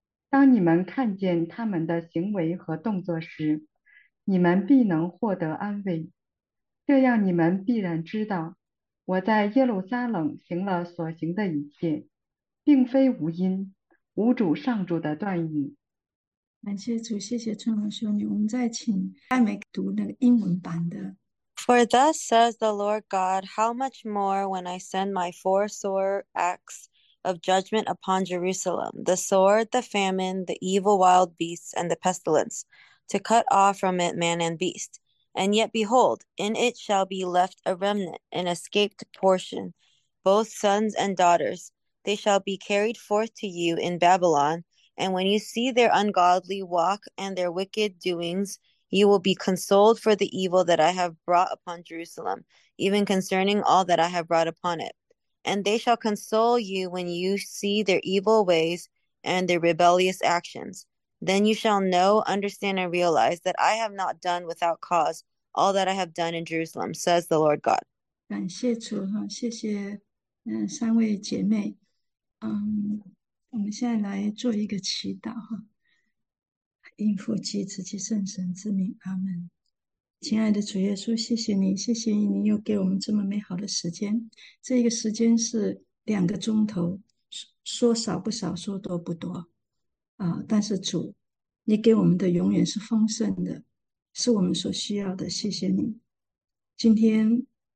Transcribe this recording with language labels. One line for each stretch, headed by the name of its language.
Chinese: 当你们看见他们的行为和动作时，你们必能获得安慰。这样你们必然知道，我在耶路撒冷行了所行的一切，并非无因，无主上主的断语。感谢主，谢谢春红兄弟。我们再请艾美读那个英文版的。
English: For thus says the Lord God, how much more when I send my four sore acts of judgment upon Jerusalem, the sword, the famine, the evil wild beasts, and the pestilence, to cut off from it man and beast. And yet behold, in it shall be left a remnant, an escaped portion, both sons and daughters. They shall be carried forth to you in Babylon, and when you see their ungodly walk and their wicked doings, you will be consoled for the evil that I have brought upon Jerusalem, even concerning all that I have brought upon it. And they shall console you when you see their evil ways and their rebellious actions. Then you shall know, understand, and realize that I have not done without cause all that I have done in Jerusalem, says the Lord God.
Chinese: 感谢主哈，谢谢三位姐妹，我们现在来做一个祈祷哈，应父及子及圣神之名，阿门。亲爱的主耶稣，谢谢你，谢谢你又给我们这么美好的时间，这个时间是2个钟头，说少不少，说多不多但是主，你给我们的永远是丰盛的，是我们所需要的，谢谢你，今天。